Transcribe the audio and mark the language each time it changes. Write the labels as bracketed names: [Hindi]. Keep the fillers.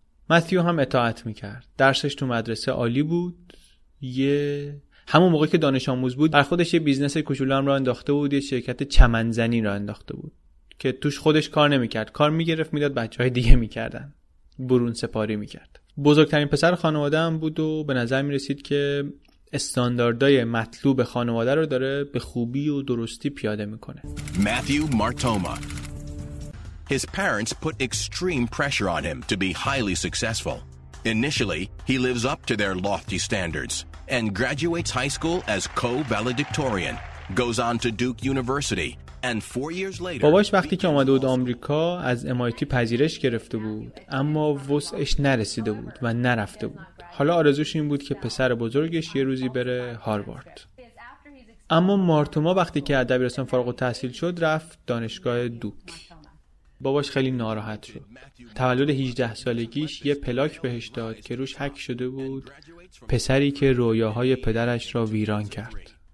[Persian] متیو هم اطاعت میکرد درسش تو مدرسه عالی بود یه همون موقع که دانش آموز بود بر خودش یه بیزنس کوچولو هم را انداخته بود یه شرکت چمنزنی را انداخته بود که توش خودش کار نمیکرد کار میگرفت میداد بچه های دیگه میکردن برون سپاری میکرد بزرگترین پسر خانواده هم بود و به نظر میرسید که استانداردهای مطلوب خانواده رو داره به خوبی و درستی پیاده میکنه. [English] Matthew Martoma. His parents put extreme pressure on him to be highly successful. Initially, he lives up to their lofty standards and graduates high school as co-valedictorian, goes on to Duke University, and years later... [Persian] باباش وقتی که آمده بود آمریکا از MIT پذیرش گرفته بود اما وسعش نرسیده بود و نرفته بود حالا آرزوش این بود که پسر بزرگش یه روزی بره هاروارد اما مارتوما وقتی که از دبیرستان فارغ تحصیل شد رفت دانشگاه دوک باباش خیلی ناراحت شد تولد 18 سالگیش یه پلاک بهش داد که روش حک شده بود پسری که رویاهای پدرش را ویران کرد